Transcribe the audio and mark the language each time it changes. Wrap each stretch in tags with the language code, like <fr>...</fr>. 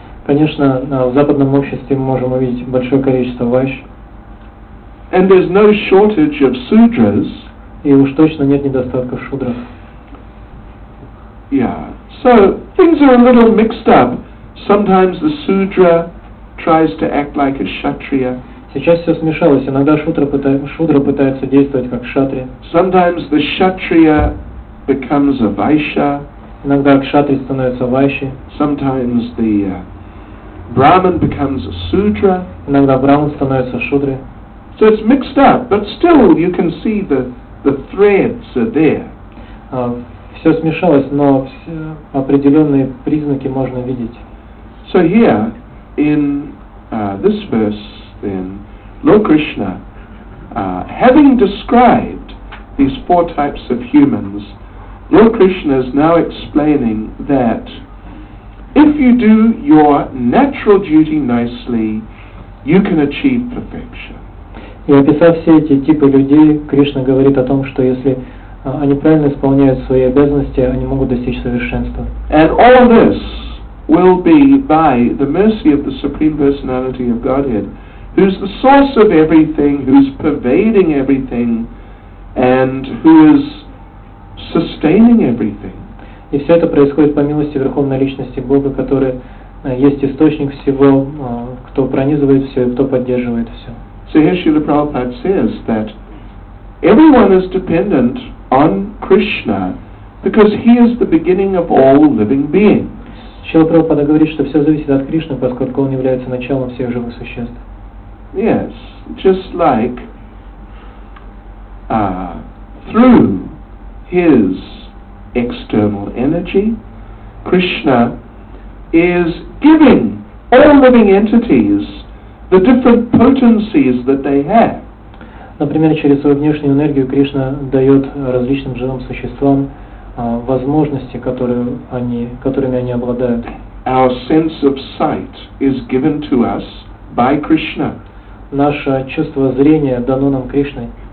<ru>Конечно, в западном обществе мы можем увидеть большое количество вайш.</ru> <en>And there's no shortage of sudras.</en> <ru>И уж точно нет недостатка шудров.</ru> <en>Yeah. So things are a little mixed up. Sometimes the sudra tries to act like a kshatriya.</en> <ru>Сейчас все смешалось. Иногда шудра пытается действовать как кшатрия.</ru> <en>Sometimes the kshatriya becomes a vaishya.</en> <ru>Иногда кшатри становится вайши.</ru> <en>Sometimes the brahman becomes a sudra.</en> <ru>Иногда брахман становится шудрой.</ru> <en>So it's mixed up, but still you can see the threads are there.</en> <ru>Все смешалось, но все определенные признаки можно видеть.</ru> <en>So here in this verse, then Lord Krishna, having described these four types of humans, Lord Krishna is now explaining that if you do your natural duty nicely, you can achieve perfection.</en> <ru>И описав все эти типы людей, Кришна говорит о том, что если они правильно исполняют свои обязанности, они могут достичь совершенства.</ru> <en>And all this will be by the mercy of the Supreme Personality of Godhead, who's the source of everything, who's pervading everything, and who is sustaining everything.</en> <ru>И все это происходит по милости Верховной Личности Бога, который есть источник всего, кто пронизывает все и кто поддерживает все.</ru> <en>So here Srila Prabhupada says that everyone is dependent on Krishna because he is the beginning of all living beings.</en> <ru>Srila Prabhupada говорит, что все зависит от Кришны, поскольку он является началом всех живых существ.</ru> <en>Yes, just like through his external energy, Krishna is giving all living entities the different potencies that they have.</en> <ru>Например, через свою внешнюю энергию Кришна дает различным живым существам возможности, которыми они обладают.</ru> <en>Our sense of sight is given to us by Krishna.</en> <ru>Наше чувство зрения дано нам Кришной.</ru>